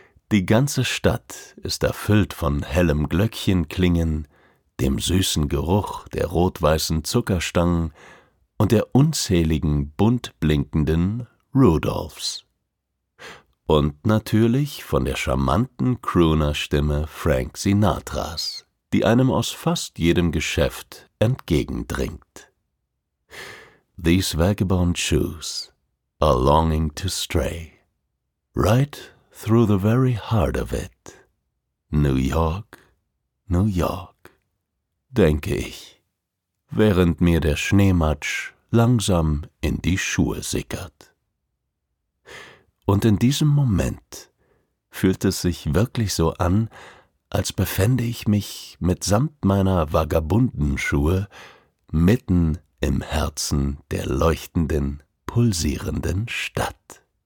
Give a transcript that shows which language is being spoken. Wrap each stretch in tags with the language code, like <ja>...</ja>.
<de>Die ganze Stadt ist erfüllt von hellem Glöckchenklingen, dem süßen Geruch der rot-weißen Zuckerstangen und der unzähligen bunt blinkenden Rudolphs. Und natürlich von der charmanten Crooner-Stimme Frank Sinatras, die einem aus fast jedem Geschäft entgegendringt.</de> <en>These vagabond shoes are longing to stray, right through the very heart of it.</en> <de>New York, New York, denke ich, während mir der Schneematsch langsam in die Schuhe sickert. Und in diesem Moment fühlt es sich wirklich so an, als befände ich mich mitsamt meiner Vagabundenschuhe mitten im Herzen der leuchtenden, pulsierenden Stadt.</de>